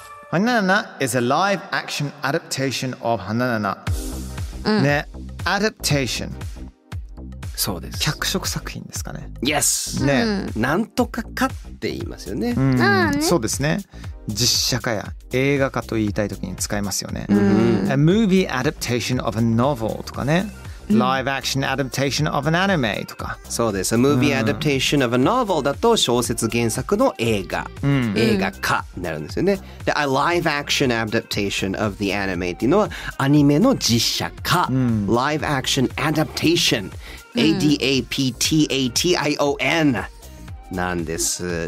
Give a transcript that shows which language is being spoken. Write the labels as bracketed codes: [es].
[en] Hananana is a live action adaptation of Hananana。 [ja] うん、ね、アダプテーション、そうです、脚色作品ですかね。 [en] Yes、 [ja] ね、うん、なんとかかって言いますよ ね、うん、ね、そうですね、実写化や映画化と言いたいときに使いますよね、うん、 [en] A movie adaptation of a novel [ja] とかね、うん、 [en] Live action adaptation of an anime [ja] とか。そうです、 [en] A movie adaptation of a novel [ja] だと小説原作の映画、うん、映画化になるんですよね。で、 [en] A live action adaptation of the anime [ja] っていうのはアニメの実写化、うん、 [en] Live action adaptation、 [ja] うん、 [en] ADAPTATION [ja] なんです。